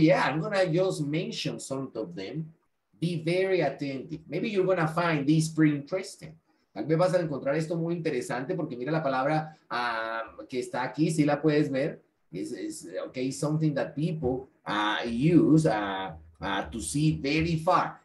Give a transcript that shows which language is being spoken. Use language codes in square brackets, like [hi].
[en] Yeah, I'm gonna just mention some of them. Be very attentive. Maybe you're going to find this pretty interesting. [es] Tal vez vas a encontrar esto muy interesante porque mira la palabra que está aquí, si la puedes ver. [en] It's okay, something that people use to see very far.